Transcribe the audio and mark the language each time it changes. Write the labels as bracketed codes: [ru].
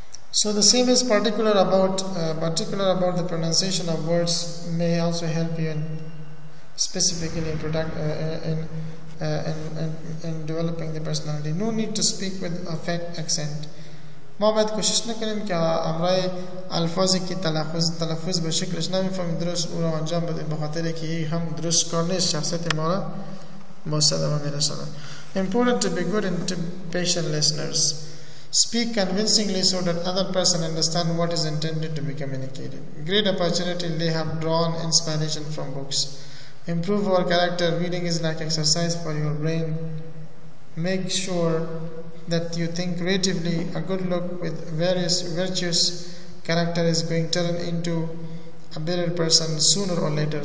[en] So the same is particular about the pronunciation of words may also help you in specifically in developing the personality. No need to speak with a fat accent. [fa] Mohammed کوشش نکنیم که امرای الفاظی که تلفظ به شکلش نمیفهمیم درست او را انجام بدیم، به خاطر که هم درست کار نیست شخصیت ما را با صدمه میرسانه. [en] Important to be good and patient listeners. Speak convincingly so that other person understand what is intended to be communicated. Great opportunity they have drawn inspiration from books. Improve our character. Reading is like exercise for your brain. Make sure that you think creatively. A good look with various virtuous character is going to turn into a better person sooner or later.